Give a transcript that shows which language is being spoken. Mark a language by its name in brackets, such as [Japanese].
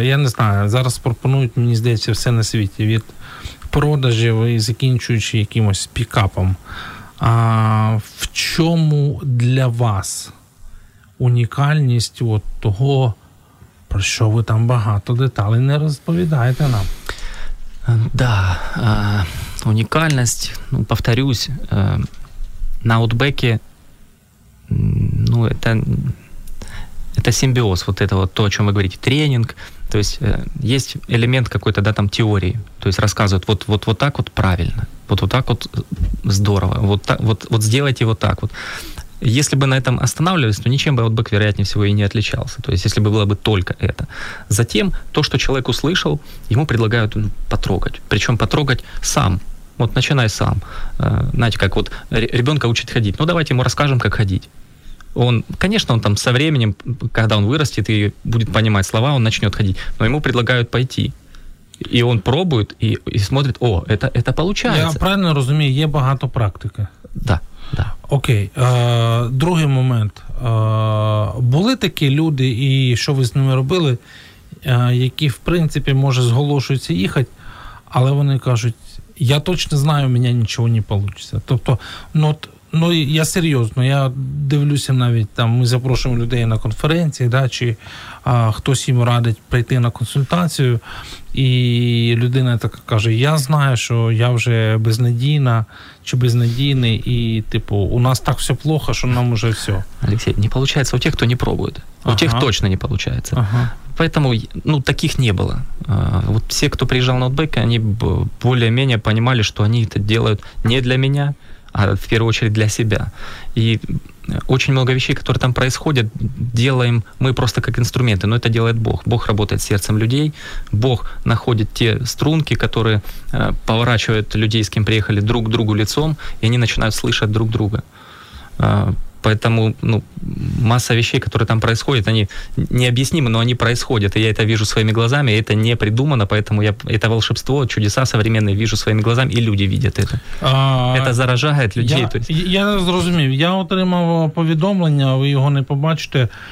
[Ukrainian] Я не знаю, зараз пропонують, мені здається, все на світі від продажів і закінчуючи якимось пікапом. В чому для вас унікальність от того, про що ви там багато деталей не розповідаєте нам? [Russian] Да, унікальність, ну, повторюсь, на Outback'і, ну, это симбиоз, вот это вот то, о чем вы говорите, тренинг, то есть есть элемент какой-то, да, там теории, то есть рассказывают, вот так вот правильно, вот так вот здорово, вот сделайте вот так вот. Если бы на этом останавливались, то ничем бы Outback, вероятнее всего, и не отличался, то есть если бы было бы только это. Затем то, что человек услышал, ему предлагают потрогать, причем потрогать сам. Вот начинай сам. Знаете, как вот ребенка учат ходить. Ну, давайте ему расскажем, как ходить. Он, конечно, он там со временем, когда он вырастет и будет понимать слова, он начнет ходить. Но ему предлагают пойти. И он пробует и смотрит, о, это получается. Я правильно разумею, есть много практики. Да, да. [Ukrainian] Окей. Другий момент. Були такі люди, і що ви з ними робили, які, в принципі, може, зголошуються їхати, але вони кажуть, я точно знаю, у мене нічого не вийде. Тобто, ну, я серйозно, я дивлюся навіть, там, ми запрошуємо людей на конференції, да, чи хтось їм радить прийти на консультацію, і людина така каже, я знаю, що я вже безнадійна, чи безнадійний, і, типу, у нас так все плохо, що нам уже все. Олексій, не виходить у тих, хто не пробує. У тих точно не виходить. Ага. [Russian] Поэтому, ну, таких не было. Вот все, кто приезжал на Outback, они более-менее понимали, что они это делают не для меня, а в первую очередь для себя. И очень много вещей, которые там происходят, делаем мы просто как инструменты, но это делает Бог. Бог работает сердцем людей, Бог находит те струнки, которые поворачивают людей, с кем приехали, друг к другу лицом, и они начинают слышать друг друга. Поэтому, ну, масса вещей, которые там происходят, они необъяснимы, но они происходят. И я это вижу своими глазами, это не придумано, поэтому я это волшебство, чудеса современные вижу своими глазами, и люди видят это. Это заражает людей. [Ukrainian] Я зрозумів. Я отримав повідомлення, ви його не побачите.